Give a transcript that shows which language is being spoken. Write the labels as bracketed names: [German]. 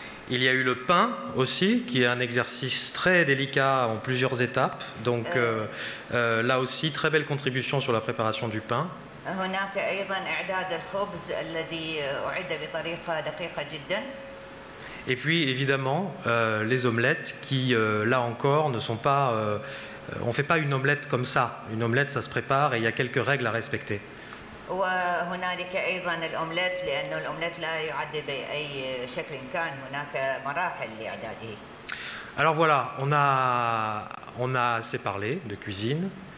[French] Il y a eu le pain aussi, qui est un exercice très délicat en plusieurs étapes. Donc là aussi, très belle contribution sur la préparation du pain. [Arabic] هناك أيضا إعداد الخبز الذي أعد بطريقة دقيقة جدا. [French] Et puis évidemment les omelettes qui là encore ne sont pas on fait pas une omelette comme ça. Une omelette ça se prépare et il y a quelques règles à respecter. [Arabic] وهناك أيضا الأومليت لأن الأومليت لا يعد بأي شكل كان هناك مراحل لإعداده. [French] Alors voilà, on a assez parlé de cuisine.